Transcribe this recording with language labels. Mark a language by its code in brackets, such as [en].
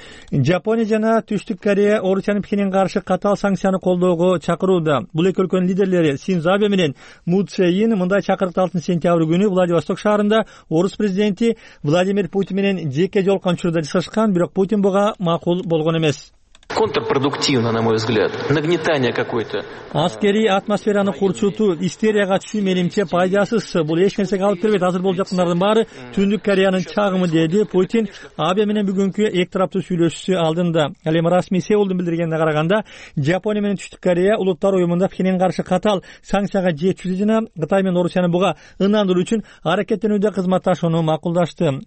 [ky] Жапония жана Түштүк Корея Орусиянын Пекинге каршы катаал санкцияны колдоого чакырууда. Бул эки өлкөнүн лидерлери Синзо Абе менен Му Цзе Ин мындай чакырыкты 6 сентябрь күнү Владивосток шаарында орус президенти Владимир Путин менен жеке жолуккан учурда жасашкан, бирок Путин буга макул болгон эмес. [ru] Контрпродуктивно, на мой взгляд, нагнетание какое-то. [ky] Аскерий атмосфераны курчутуу, истерияга түшүү менимче пайдасыз. Бул эч нерсеге алып келбейт. Азыр болуп жаткандардын баары Түндүк Кореянын чагымы, деди Путин Абе менен бүгүнкү эки тараптуу сүйлөшүүсү алдында. Ал эми расмий Сеулдун билдиргенине караганда Жапония менен Түштүк Корея улуттар уюмунда Пхенянга каршы катаал санкцияга жетүүдө жана Кытай менен Орусияны буга ынандыруу үчүн аракеттенүүдө кызматташууну макулдашты.